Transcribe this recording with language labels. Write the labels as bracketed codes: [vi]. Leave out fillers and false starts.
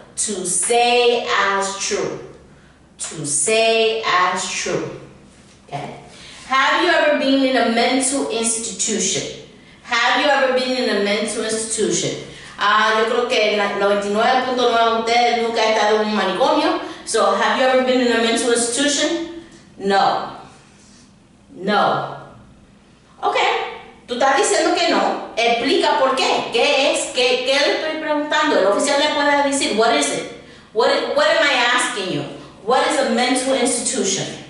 [en] To say as true. To say as true. Okay? Have you ever been in a mental institution? Have you ever been in a mental institution? [es] Yo creo que 99.9 de ustedes nunca han estado en un manicomio. [en] So, have you ever been in a mental institution? No. No. Okay. [es] Tú estás diciendo que no. Explica por qué. ¿Qué es? ¿Qué le estoy preguntando? El oficial le puede decir, [en] what is it? What am I asking you? What is a mental institution?